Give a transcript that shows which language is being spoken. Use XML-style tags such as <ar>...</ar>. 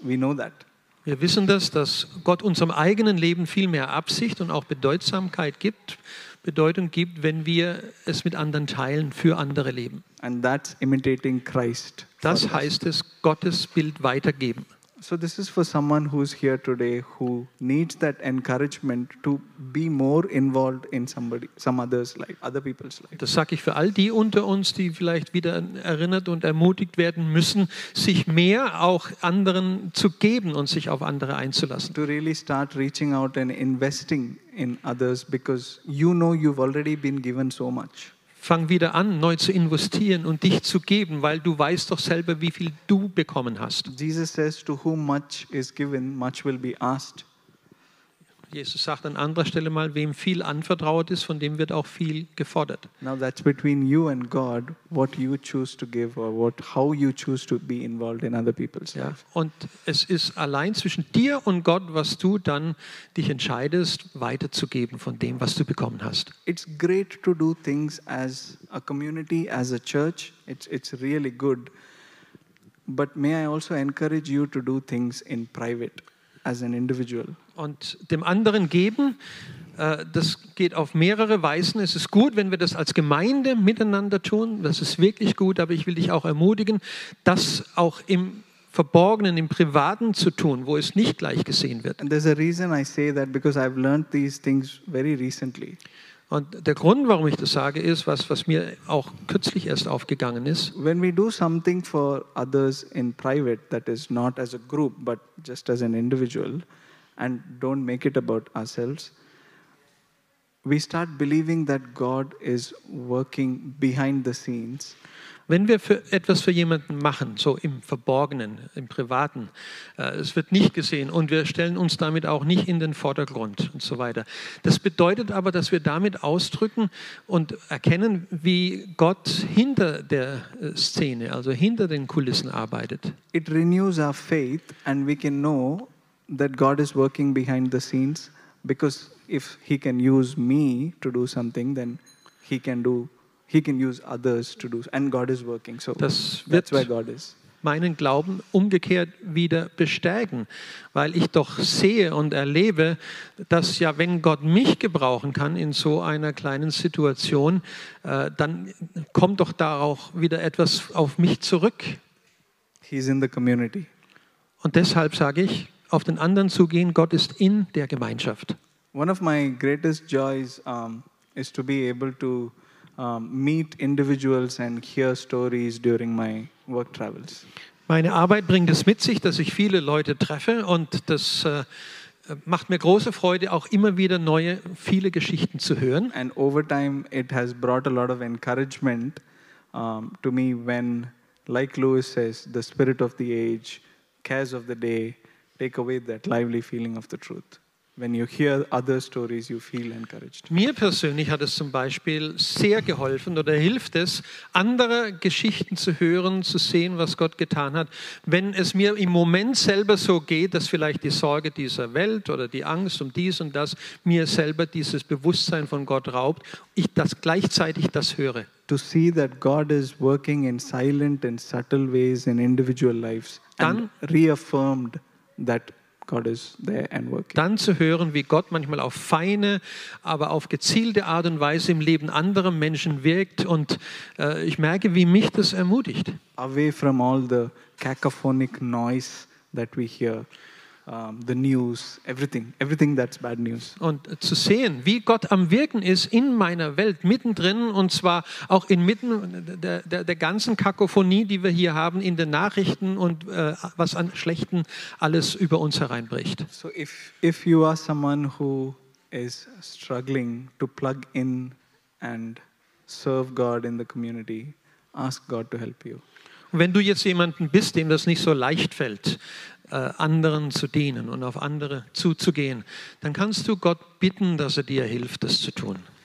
<en>We know that.</en> <de>Wir wissen das, dass Gott unserem eigenen Leben viel mehr Absicht und auch Bedeutsamkeit gibt, Bedeutung gibt, wenn wir es mit anderen teilen, für andere leben.</de> <en>And that's imitating Christ.</en> <de>Das heißt es, Gottes Bild weitergeben.</de> <en>So this is for someone who's here today who needs that encouragement to be more involved in somebody, some other's life, other people's life.</en> <de>Das sage ich für all die unter uns, die vielleicht wieder erinnert und ermutigt werden müssen, sich mehr auch anderen zu geben und sich auf andere einzulassen.</de> <en>To really start reaching out and investing in others because you know you've already been given so much.</en> <de>Fang wieder an, neu zu investieren und dich zu geben, weil du weißt doch selber, wie viel du bekommen hast.</de> <en>Jesus says, to whom much is given, much will be asked.</en> <de>Jesus sagt an anderer Stelle mal, wem viel anvertraut ist, von dem wird auch viel gefordert.</de> <en>Now that's between you and God, what you choose to give or what how you choose to be involved in other people's life.</en> <de>Und es ist allein zwischen dir und Gott, was du dann dich entscheidest, weiterzugeben von dem, was du bekommen hast.</de> <en>It's great to do things as a community, as a church. It's really good. But may I also encourage you to do things in private, as an individual.</en> <de>Und dem anderen geben, das geht auf mehrere Weisen. Es ist gut, wenn wir das als Gemeinde miteinander tun. Das ist wirklich gut, aber ich will dich auch ermutigen, das auch im Verborgenen, im Privaten zu tun, wo es nicht gleich gesehen wird.</de> <en>And there's a reason I say that, because I've learned these things very recently.</en> <de>Und der Grund, warum ich das sage, ist, was mir auch kürzlich erst aufgegangen ist.</de> <en>When we do something for others in private, that is not as a group, but just as an individual, and don't make it about ourselves, we start believing that God is working behind the scenes.</en> <de>Wenn wir für etwas für jemanden machen, so im Verborgenen, im Privaten, es wird nicht gesehen und wir stellen uns damit auch nicht in den Vordergrund und so weiter. Das bedeutet aber, dass wir damit ausdrücken und erkennen, wie Gott hinter der Szene, also hinter den Kulissen arbeitet.</de> <en>It renews our faith and we can know that God is working behind the scenes, because if he can use me to do something, then he can do. He can use others to do, and God is working. So that's where God is.</en> <de>Meinen Glauben umgekehrt wieder bestärken, weil ich doch sehe und erlebe, dass ja, wenn Gott mich gebrauchen kann in so einer kleinen Situation, dann kommt doch da auch wieder etwas auf mich zurück.</de> <en>He's in the community.</en> <de>Und deshalb sage ich, auf den anderen zugehen. Gott ist in der Gemeinschaft.</de> <en>One of my greatest joys is to be able to meet individuals and hear stories during my work travels.</en> <de>Meine Arbeit bringt es mit sich, dass ich viele Leute treffe, und das macht mir große Freude, auch immer wieder neue, viele Geschichten zu hören.</de> <en>And over time, it has brought a lot of encouragement to me when, like Lewis says, the spirit of the age, cares of the day, take away that lively feeling of the truth. When you hear other stories, you feel encouraged.</en> <de>Mir persönlich hat es zum Beispiel sehr geholfen oder hilft es, andere Geschichten zu hören, zu sehen, was Gott getan hat. Wenn es mir im Moment selber so geht, dass vielleicht die Sorge dieser Welt oder die Angst um dies und das mir selber dieses Bewusstsein von Gott raubt, ich das gleichzeitig das höre.</de> <en>To see that God is working in silent and subtle ways in individual lives and reaffirmed that God is there and working.</en> <de>Dann zu hören, wie Gott manchmal auf feine, aber auf gezielte Art und Weise im Leben anderer Menschen wirkt, und ich merke, wie mich das ermutigt.</de> <en>Away from all the cacophonic noise that we hear. the news, everything that's bad news.</en> <de>Und zu sehen, wie Gott am Wirken ist in meiner Welt, mittendrin, und zwar auch inmitten der ganzen Kakophonie, die wir hier haben, in den Nachrichten und was an Schlechten alles über uns hereinbricht.</de> <en>So if you are someone who is struggling to plug in and serve God in the community, ask God to help you.</en> <de>Wenn du jetzt jemanden bist, dem das nicht so leicht fällt, anderen zu dienen und auf andere zuzugehen, dann kannst du Gott bitten, dass er dir hilft, das zu tun.</de>